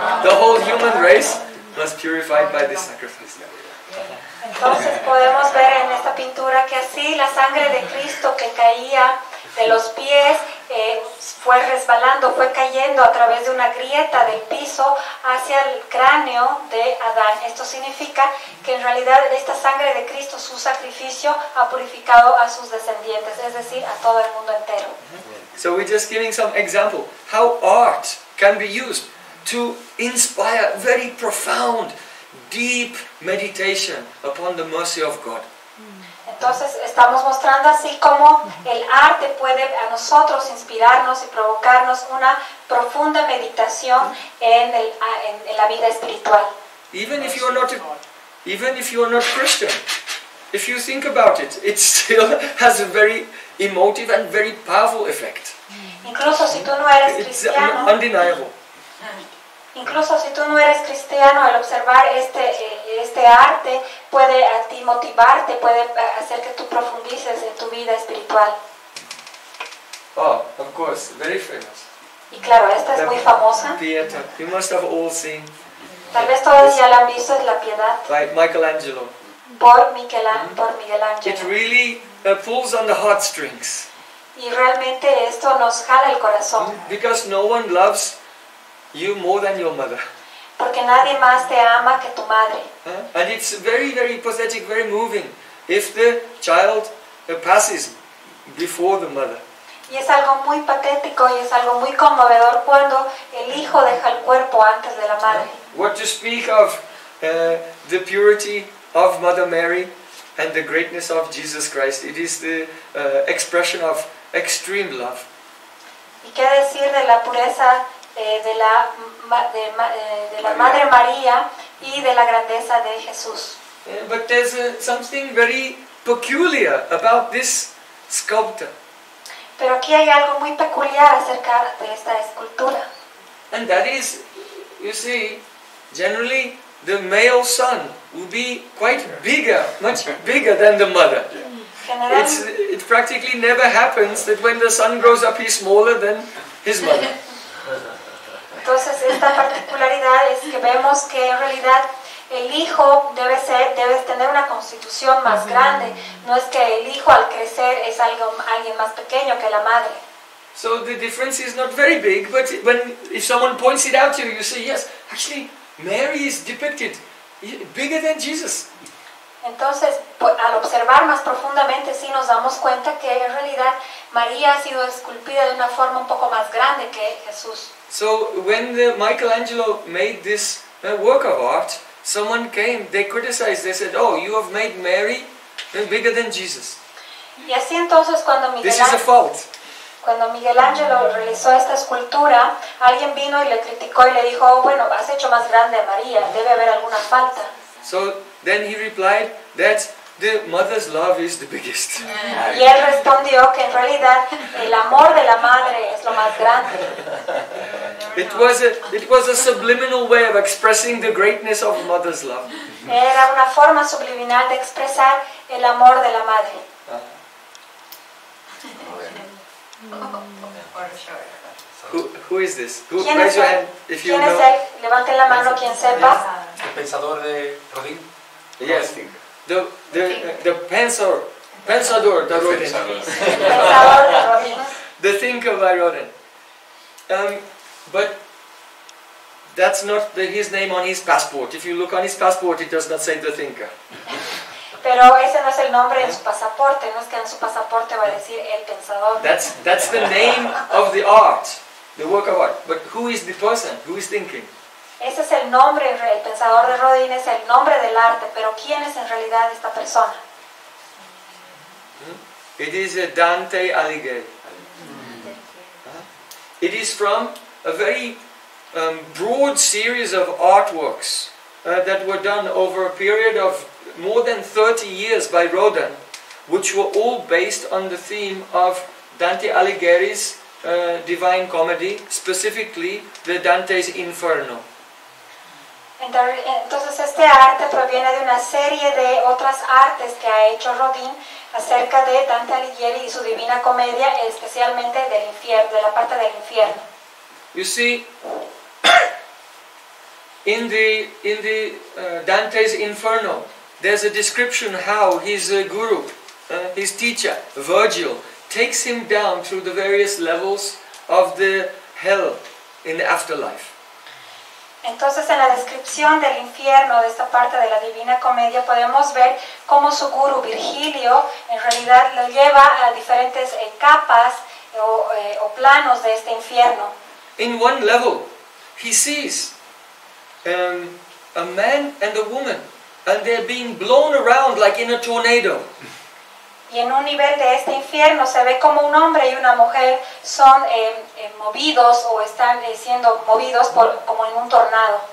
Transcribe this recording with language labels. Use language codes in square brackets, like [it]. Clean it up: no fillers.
[en] The whole human race was purified by this sacrifice. [es] Entonces podemos ver en esta pintura que así la sangre de Cristo que caía de los pies fue resbalando, fue cayendo a través de una grieta del piso hacia el cráneo de Adán. Esto significa que en realidad esta sangre de Cristo, su sacrificio, ha purificado a sus descendientes, es decir, a todo el mundo entero. [en] So we're just giving some example how art can be used to inspire very profound, deep meditation upon the mercy of God. [es] Entonces estamos mostrando así cómo el arte puede a nosotros inspirarnos y provocarnos una profunda meditación en la vida espiritual. [en] Even if you are not Christian, if you think about it, it still has a very emotive and very powerful effect. [es] Incluso si tú no eres cristiano. [en] It's undeniable. [es] Incluso si tú no eres cristiano, el observar este arte puede a ti motivarte, puede hacer que tú profundices en tu vida espiritual. [en] Oh, of course, very famous. [es] Y claro, esta es muy famosa. [en] Pietà, you must have all seen. [es] Tal vez todos ya la han visto, es la Piedad. [en] Right, Michelangelo. [es] Por Miguel Ángel. [en] It really pulls on the heartstrings. [es] Y realmente esto nos jala el corazón. [en] Because no one loves you more than your mother. [es] Porque nadie más te ama que tu madre. [en] And it's very, very pathetic, very moving if the child passes before the mother. [es] Y es algo muy patético y es algo muy conmovedor cuando el hijo deja el cuerpo antes de la madre. [en] What to speak of the purity of Mother Mary and the greatness of Jesus Christ. It is the expression of extreme love. [es] ¿Y qué decir de la pureza de la Madre María y de la grandeza de Jesús? [en] But there's something very peculiar about this sculptor. [es] Pero aquí hay algo muy peculiar acerca de esta escultura. [en] And that is, you see, generally the male son will be quite bigger, much bigger than the mother. It practically never happens that when the son grows up he's smaller than his mother. [es] Entonces esta particularidad es que vemos que en realidad el hijo debe tener una constitución más grande. No es que el hijo al crecer es alguien más pequeño que la madre. [en] So the difference is not very big, but when if someone points it out to you, you say yes, actually Mary is depicted bigger than Jesus. [es] Entonces, al observar más profundamente, sí nos damos cuenta que en realidad María ha sido esculpida de una forma un poco más grande que Jesús. [en] So when Michelangelo made this work of art, someone came, they criticized, they said, "Oh, you have made Mary bigger than Jesus." [es] Y así entonces cuando Cuando Miguel Ángelo realizó esta escultura, alguien vino y le criticó y le dijo, oh, bueno, has hecho más grande a María, debe haber alguna falta. [en] So then he replied that the mother's love is the biggest. [es] Y él respondió que en realidad el amor de la madre es lo más grande. [en] It was a subliminal way of expressing the greatness of mother's love. [es] Era una forma subliminal de expresar el amor de la madre. [en] Who is this? Who raise your hand if you know? [es] Levante la mano quien sepa. El pensador de Rodin. [en] Yes, the pensador de Rodin. The thinker by Rodin. But that's not his name on his passport. If you look on his passport, it does not say the thinker. [es] Pero ese no es el nombre en su pasaporte, no es que en su pasaporte va a decir el pensador. [en] That's the name of the art, the work of art. But who is the person? Who is thinking? [es] Ese es el nombre, el pensador de Rodin es el nombre del arte, pero ¿quién es en realidad esta persona? [en] It is Dante Alighieri. It is from a very broad series of artworks that were done over a period of more than 30 years by Rodin, which were all based on the theme of Dante Alighieri's Divine Comedy, specifically the Dante's Inferno. [es] Entonces este arte proviene de una serie de otras artes que ha hecho Rodin acerca de Dante Alighieri y su Divina Comedia, especialmente del infierno, de la parte del infierno. [en] You see, in the Dante's Inferno, there's a description how his guru, his teacher, Virgil, takes him down through the various levels of the hell in the afterlife. [es] Entonces, en la descripción del infierno de esta parte de la Divina Comedia podemos ver cómo su guru Virgilio en realidad lo lleva a diferentes capas o planos de este infierno. [en] In one level, he sees a man and a woman. And they're being blown around like in a tornado. [es] Y en un nivel de este infierno se ve como un hombre y una mujer son movidos o están siendo movidos por, como en un tornado.